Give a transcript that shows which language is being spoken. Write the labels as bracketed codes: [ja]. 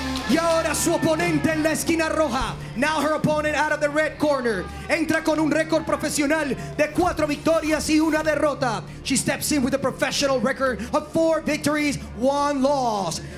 [es] Y ahora su oponente en la esquina roja. [en] Now her opponent out of the red corner. [es] Entra con un récord profesional de 4 victorias y 1 derrota. [en] She steps in with a professional record of 4 victories, 1 loss.